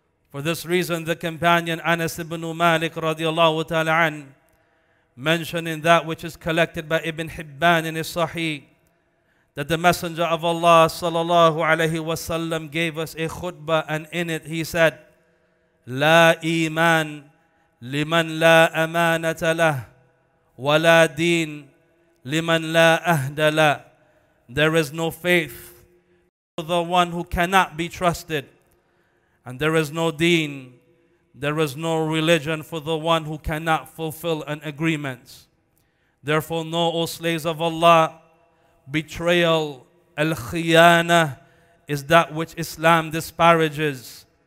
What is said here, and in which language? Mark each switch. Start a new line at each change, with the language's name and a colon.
English: For this reason, the companion Anas ibn Malik radiallahu ta'ala an, mentioning that which is collected by Ibn Hibban in his Sahih, that the Messenger of Allah sallallahu alayhi wa sallam gave us a khutbah, and in it he said,
Arabic: La iman لمن لا أمانة له ولا دين لمن لا أهدى له.
English: There is no faith for the one who cannot be trusted, and there is no deen, there is no religion for the one who cannot fulfill an agreement. Therefore know, O slaves of Allah, betrayal, al-khiyana, is that which Islam disparages.